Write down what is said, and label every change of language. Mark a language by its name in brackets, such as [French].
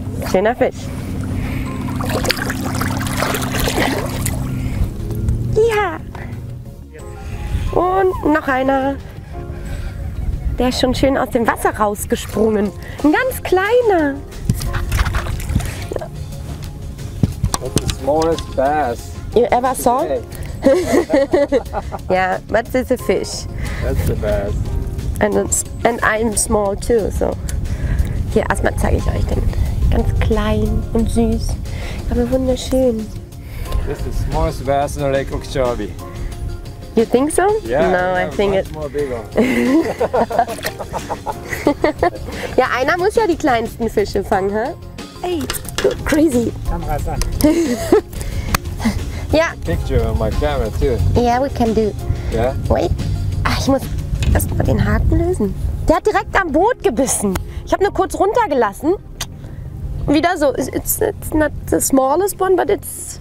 [German] Schöner Fisch. Ja. Und noch einer. Der ist schon schön aus dem Wasser rausgesprungen. Ein ganz kleiner. [English] That's the smallest bass you ever saw? Yeah, but it's a fish. That's the bass. And I'm small too, so. [German] Hier, erstmal zeige ich euch den. Ganz klein und süß, aber wunderschön. [English] This is the smallest bass in the Lake Okeechobee. You think so? Yeah, no, I think it's more bigger. [German] Ja, einer muss ja die kleinsten Fische fangen, hä? [English] Huh? Hey, crazy. [German] Kameras an. Ja. [English] Picture on my camera too. Yeah, we can do. Yeah. Wait. [German] Ach, ich muss erst mal den Haken lösen. Der hat direkt am Boot gebissen. Ich habe nur kurz runtergelassen. Wieder so, [English] it's not the smallest one, but it's...